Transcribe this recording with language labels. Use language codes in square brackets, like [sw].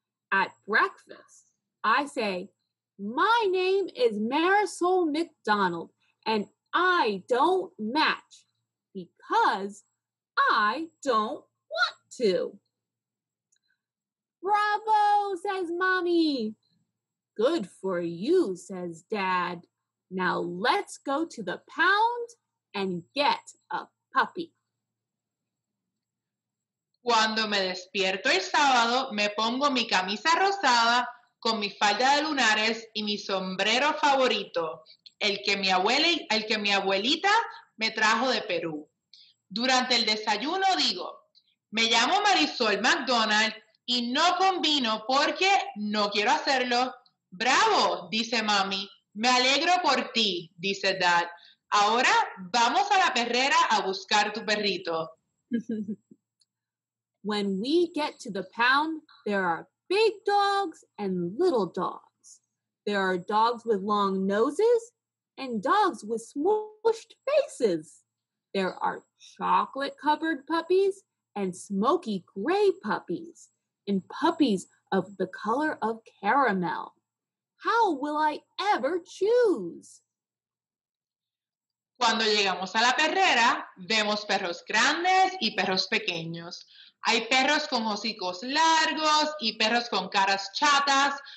[en] At breakfast, I say, my name is Marisol McDonald, and I don't match because I don't want to. Bravo, says Mommy. Good for you, says Dad. Now let's go to the pound and get a puppy. [es] Cuando me despierto el sábado, me pongo mi camisa rosada con mi falda de lunares y mi sombrero favorito, el que mi abuelita me trajo de Perú. Durante el desayuno digo, me llamo Marisol McDonald y no combino porque no quiero hacerlo. Bravo, dice mami. Me alegro por ti, dice Dad. Ahora vamos a la perrera a buscar tu perrito. [en] When we get to the pound, there are big dogs and little dogs. There are dogs with long noses and dogs with smooshed faces. There are chocolate-covered puppies and smoky gray puppies and puppies of the color of caramel. How will I ever choose? [es] Cuando llegamos a la perrera, vemos perros grandes y perros pequeños. Hay perros con hocicos largos y perros con caras chatas.